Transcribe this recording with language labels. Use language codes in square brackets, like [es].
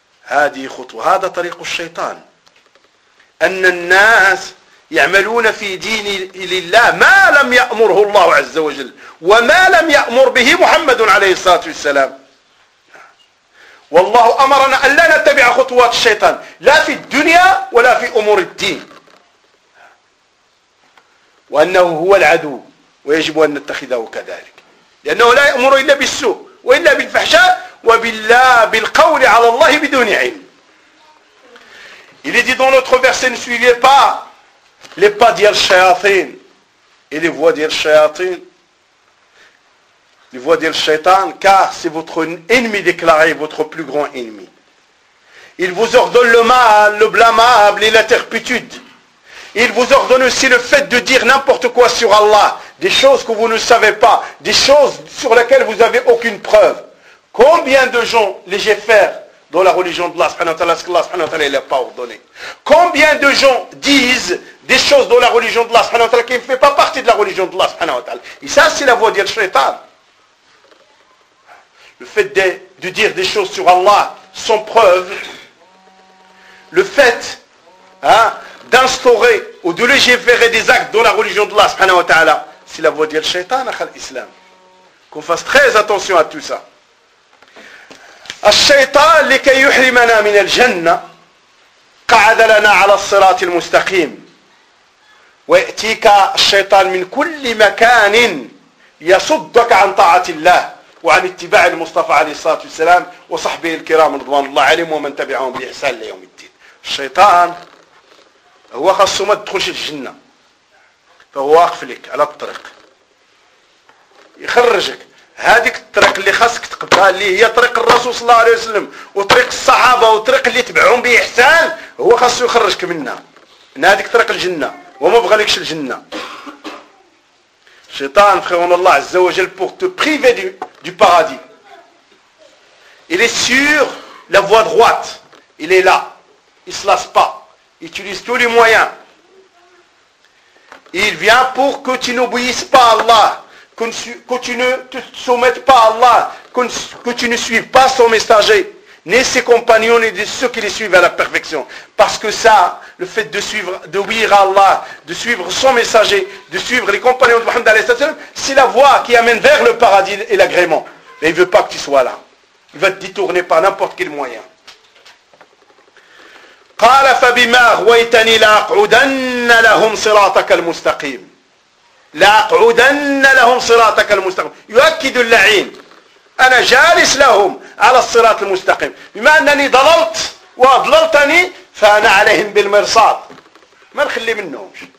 [ar] هذه خطوة هذا طريق الشيطان أن الناس يعملون في دين لله ما لم يأمره الله عز وجل وما لم يأمر به محمد عليه الصلاة والسلام والله أمرنا أن لا نتبع خطوات الشيطان لا في الدنيا ولا في أمور الدين وأنه هو العدو ويجب أن نتخذه كذلك لأنه لا يأمر إلا بالسوء وإلا بالفحشاء وبالقول على الله بدون علم. [fr] Il est dit dans notre verset, ne suivez pas les pas des shayatin et les voies des shayatin, les voies des shaitan, car c'est votre ennemi déclaré, votre plus grand ennemi. Il vous ordonne le mal, le blâmable et la turpitude. Il vous ordonne aussi le fait de dire n'importe quoi sur Allah, des choses que vous ne savez pas, des choses sur lesquelles vous n'avez aucune preuve. Combien de gens les jeffers dans la religion de Allah, ce qu'Allah ne l'a pas ordonné. Combien de gens disent des choses dans la religion de Allah qui ne fait pas partie de la religion de Allah. Et ça, c'est la voie du shaitan. Le fait de dire des choses sur Allah sans preuve le fait d'instaurer ou de légiférer des actes dans la religion d'Allah subhanahu wa ta'ala, c'est la voie du shaitan à l'islam. Qu'on fasse très attention à tout ça. [ar] الشيطان لكي يحرمنا من الجنة قعد لنا على الصراط المستقيم ويأتيك الشيطان من كل مكان يصدك عن طاعة الله وعن اتباع المصطفى عليه الصلاة والسلام وصحبه الكرام رضوان الله عليهم ومن تبعهم بإحسان ليوم الدين. الشيطان هو خاصه ما تدخلش الجنة فهو واقف لك على الطريق يخرجك هذيك الطريق اللي خاصك تقبلها اللي هي طريق الرسول صلى الله عليه وسلم وطريق الصحابه وطريق اللي تبعهم باحسان هو خاصو يخرجك منها من هذيك طريق الجنه وما بغالكش الجنه. الشيطان خوان الله عز وجل [fr] pour te priver du paradis. Il est sur la voie droite. Il est là. Il se lasse pas. Il utilise tous les moyens. Il vient pour que tu n'obéisses pas à Allah. Que tu ne te soumettes pas à Allah, que tu ne suives pas son messager, ni ses compagnons, ni ceux qui les suivent à la perfection. Parce que ça, le fait de suivre, de obéir à Allah, de suivre son messager, de suivre les compagnons de Mohammed alayhi sallam, c'est la voie qui amène vers le paradis et l'agrément. Mais il ne veut pas que tu sois là. Il va te détourner par n'importe quel moyen. [ar] قَالَ فَبِمَا غْوَيْتَنِي لَأَقْعُدَنَّ لَهُمْ صِرَاطَكَ الْمُسْتَقِيمِ لأقعدن لهم صراطك المستقيم يؤكد اللعين أنا جالس لهم على الصراط المستقيم بما أنني ضللت وأضللتني فأنا عليهم بالمرصاد ما نخلي منهم